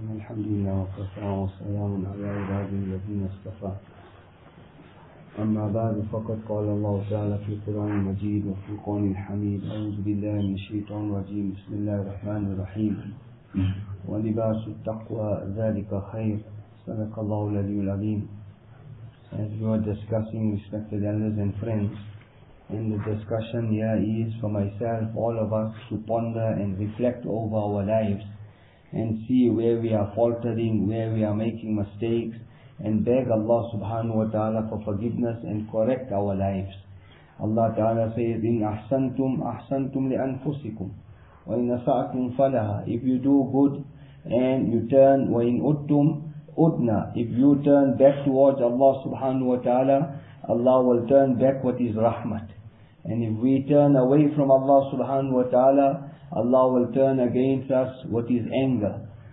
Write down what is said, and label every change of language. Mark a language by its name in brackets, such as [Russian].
[Arabic] الحمد لله وكفى وسلام على عباده الذين اصطفى. أما بعد، فقد قال الله تعالى في القرآن المجيد وفي القرآن الحميد: أعوذ بالله من الشيطان الرجيم، بسم الله الرحمن الرحيم. ولباس التقوى ذلك خير، صدق الله العلي العظيم. [English] As we were discussing, respected elders and friends, in the discussion here is for myself, all of us, to ponder and reflect over our lives and see where we are faltering, where we are making mistakes, and beg Allah subhanahu wa ta'ala for forgiveness and correct our lives. Allah ta'ala says, [Arabic] إِنْ أَحْسَنْتُمْ أَحْسَنْتُمْ لِأَنفُسِكُمْ وَإِنْ أَسَأْتُمْ فَلَهَا. [English] If you do good and you turn, [Arabic] وَإِنْ أُدْتُمْ أُدْنَا. [English] If you turn back towards Allah subhanahu wa ta'ala, Allah will turn back what is rahmat. And if we turn away from Allah subhanahu wa ta'ala, Allah will turn against us what is anger.